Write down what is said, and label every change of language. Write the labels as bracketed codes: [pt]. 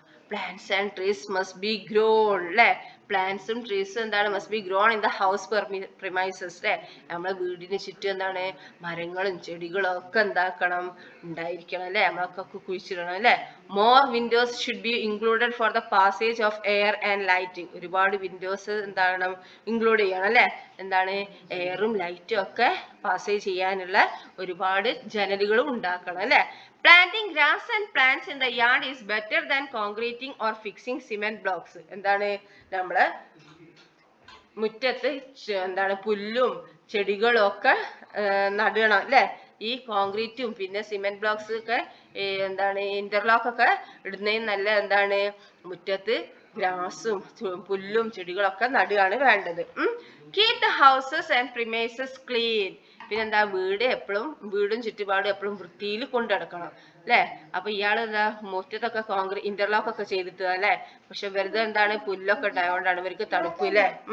[en] plants and trees must be grown [ml] അല്ലെ, പ്ലാന്റ്സും ട്രീസും എന്താണ് [en] must be grown in the house premises [ml] അല്ലെ, നമ്മളെ വീടിന് ചുറ്റും എന്താണ് മരങ്ങളും ചെടികളും ഒക്കെ എന്താക്കണം ഉണ്ടായിരിക്കണം അല്ലെ, നമ്മളൊക്കെ കുഴിച്ചിടണം അല്ലെ. [en] More windows should be included for the passage of air and lighting. [ml] ഒരുപാട് വിൻഡോസ് എന്താണ് ഇൻക്ലൂഡ് ചെയ്യണം അല്ലെ, എന്താണ് എയറും ലൈറ്റും ഒക്കെ പാസേജ് ചെയ്യാനുള്ള ഒരുപാട് ജനലുകളും ഉണ്ടാക്കണം അല്ലെ. [en] Planting grass and plants in the yard is better than concreting or fixing cement blocks. [ml] എന്താണ് നമ്മള് മുറ്റത്ത് എന്താണ് പുല്ലും ചെടികളും ഒക്കെ നടണം അല്ലെ, ഈ കോൺക്രീറ്റും പിന്നെ സിമെന്റ് ബ്ലോക്സ് ഒക്കെ എന്താണ് ഇന്റർലോക്ക് ഒക്കെ ഇടുന്നതിന് നല്ല എന്താണ് മുറ്റത്ത് ഗ്രാസും പുല്ലും ചെടികളൊക്കെ നടുകയാണ് വേണ്ടത്. [en] Keep the houses and premises clean. [ml] പിന്നെന്താ വീട് എപ്പോഴും വീടും ചുറ്റുപാടും എപ്പോഴും വൃത്തിയിൽ കൊണ്ടു നടക്കണം അല്ലെ. അപ്പൊ ഇയാൾ എന്താ മുറ്റത്തൊക്കെ കോൺക്രീറ്റ് ഇന്റർലോക്ക് ഒക്കെ ചെയ്തിട്ട് അല്ലെ, പക്ഷെ വെറുതെ എന്താണ് പുല്ലൊക്കെ ഉണ്ടായതുകൊണ്ടാണ് ഇവർക്ക് തണുപ്പില്ലേ.